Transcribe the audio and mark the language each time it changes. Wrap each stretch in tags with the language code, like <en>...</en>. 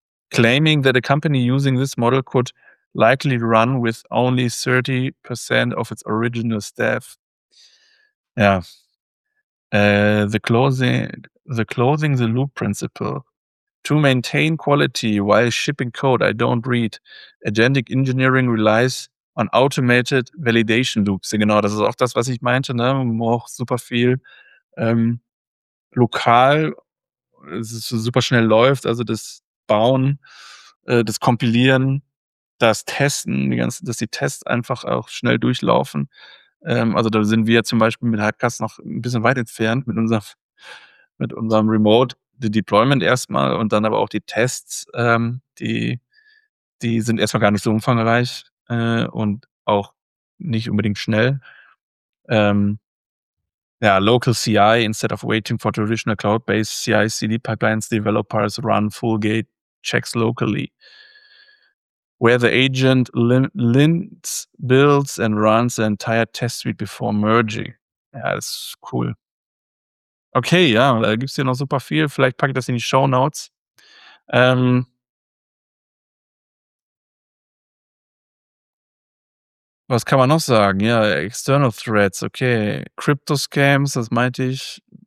<en>Claiming that a company using this model could likely run with only 30% of its original staff. Ja. The closing the loop principle. To maintain quality while shipping code, I don't read. Agentic engineering relies on automated validation loops.</en> <de>Genau, das ist auch das, was ich meinte, ne? Man braucht super viel lokal, dass es super schnell läuft, also das Bauen, das Kompilieren, das Testen, dass die Tests einfach auch schnell durchlaufen. Also da sind wir zum Beispiel mit Hypecast noch ein bisschen weit entfernt mit unserem Remote. Die Deployment erstmal und dann aber auch die Tests, die sind erstmal gar nicht so umfangreich und auch nicht unbedingt schnell.</de> <en>Ja, local CI instead of waiting for traditional cloud-based CI/CD pipelines, developers run full gate checks locally. Where the agent lints, builds and runs the entire test suite before merging.</en> <de>Ja, das ist cool. Okay, ja, da gibt es hier noch super viel. Vielleicht packe ich das in die Shownotes. Was kann man noch sagen? Ja, External Threats, okay. Crypto-Scams, das meinte ich.</de>